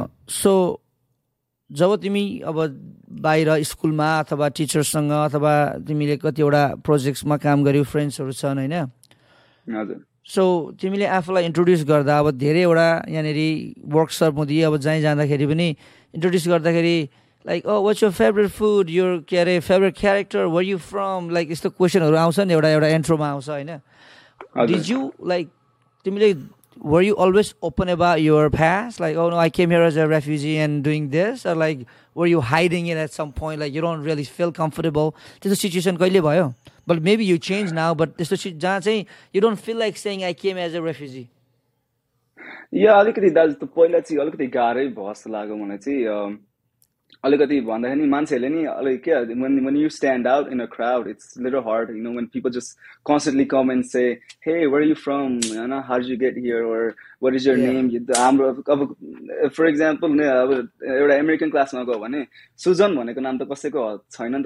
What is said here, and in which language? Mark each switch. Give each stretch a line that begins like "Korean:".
Nepali: So जब तिमी अब बाहिर स्कुलमा अथवा टिचर्ससँग अथवा तिमीले कतिवटा प्रोजेक्ट्समा काम गर्यौ, फ्रेन्ड्सहरू छन् होइन, सो तिमीले आफूलाई इन्ट्रोड्युस गर्दा अब धेरैवटा यहाँनिर वर्कसप हुँदै अब जहीँ जाँदाखेरि पनि इन्ट्रोड्युस गर्दाखेरि
English: like oh what's your favourite food, your के अरे favourite character, where you from,
Nepali: like यस्तो क्वेसनहरू आउँछ नि एउटा इन्ट्रोमा आउँछ होइन.
English: does you like
Nepali: तिमीले
English: Were you always open about your past, like oh no I came here as a refugee and doing this, or like were you hiding it at some point, like you don't really feel comfortable?
Nepali: त्यस्तो situation कहिले भयो?
English: but maybe you change now, but
Nepali: त्यस्तो जहाँ चाहिँ
English: You don't feel like saying I came as a refugee?
Nepali: या अलिकति दाजु, त पहिला चाहिँ अलिकति गाह्रै भयो जस्तो लाग्यो मलाई चाहिँ. अलिकति भन्दाखेरि मान्छेहरूले नि अलिक के
English: when you stand out in a crowd, it's a little hard, you know, when people just constantly come and say, hey, where are you from? You know, how did you get here? Or what is your name?
Nepali: हाम्रो अब
English: for example
Nepali: नै अब एउटा American क्लासमा गयो भने सुजन भनेको नाम त कसैको छैन नि त.